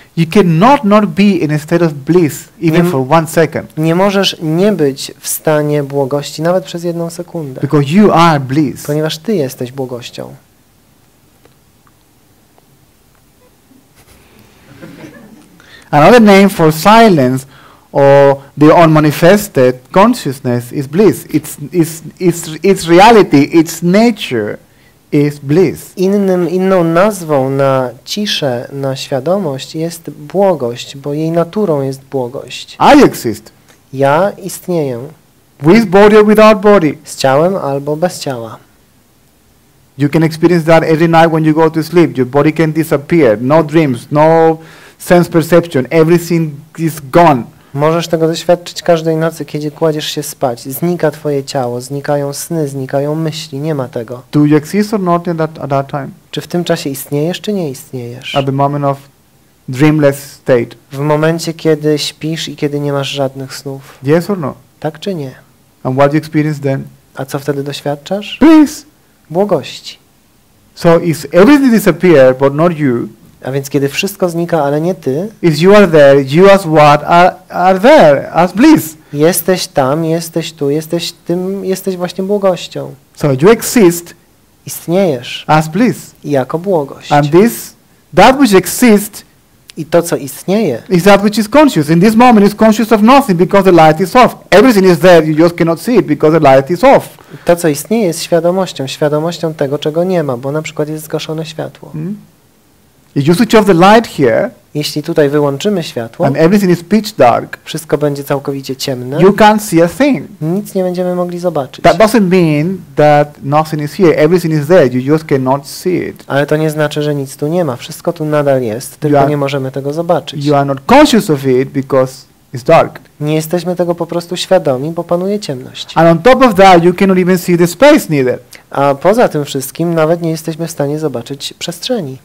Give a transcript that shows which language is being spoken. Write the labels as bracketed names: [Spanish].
[English] You cannot not be in a state of bliss even for one second. [Polish] Nie możesz nie być w stanie błogości nawet przez jedną sekundę. [English] Because you are bliss. [Polish] Ponieważ ty jesteś błogością. [English] Another name for silence or the unmanifested consciousness is bliss. It's reality, its nature is bliss. [Polish] Inną nazwą na ciszę, na świadomość jest błogość, bo jej naturą jest błogość. [English] I exist. [Polish] Ja istnieję. [English] With body or without body. [Polish] Z ciałem albo bez ciała. [English] You can experience that every night when you go to sleep. Your body can disappear. No dreams, no sense perception, everything is gone. [Polish] Możesz tego doświadczyć każdej nocy, kiedy kładziesz się spać. Znika twoje ciało, znikają sny, znikają myśli, nie ma tego. [English] Do you exist or not in that, at that time? [Polish] Czy w tym czasie istniejesz, czy nie istniejesz? [English] At the moment of dreamless state. [Polish] W momencie, kiedy śpisz i kiedy nie masz żadnych snów. [English] Yes or no? [Polish] Tak czy nie? [English] And what do you experience then? [Polish] A co wtedy doświadczasz? [English] Peace. [Polish] Błogości. [English] So if everything disappears, but not you. [Polish] A więc kiedy wszystko znika, ale nie ty. [English] If you are there, you as what are there as bliss. [Polish] Jesteś tam, jesteś tu, jesteś tym, jesteś właśnie błogością. [English] So you exist. [Polish] Istniejesz. [English] As bliss. [Polish] Jako błogość. [English] And this, that which exists. [Polish] I to co istnieje. [English] Is that which is conscious. In this moment, is conscious of nothing because the light is off. Everything is there, you just cannot see it because the light is off. [Polish] To co istnieje jest świadomością, świadomością tego, czego nie ma, bo na przykład jest zgaszone światło. Hmm? [English] If you switch off the light here, [Polish] jeśli tutaj wyłączymy światło, [English] and everything is pitch dark, [Polish] wszystko będzie całkowicie ciemne, [English] you can't see a thing. [Polish] Nic nie będziemy mogli zobaczyć. [English] That doesn't mean that nothing is here. Everything is there. You just cannot see it. [Polish] Ale to nie znaczy, że nic tu nie ma. Wszystko tu nadal jest, tylko nie możemy tego zobaczyć. [English] You are not conscious of it because it's dark. [Polish] Nie jesteśmy tego po prostu świadomi, bo panuje ciemność. [English] And on top of that, you cannot even see the space neither. [Polish] A poza tym wszystkim, nawet nie jesteśmy w stanie zobaczyć przestrzeni.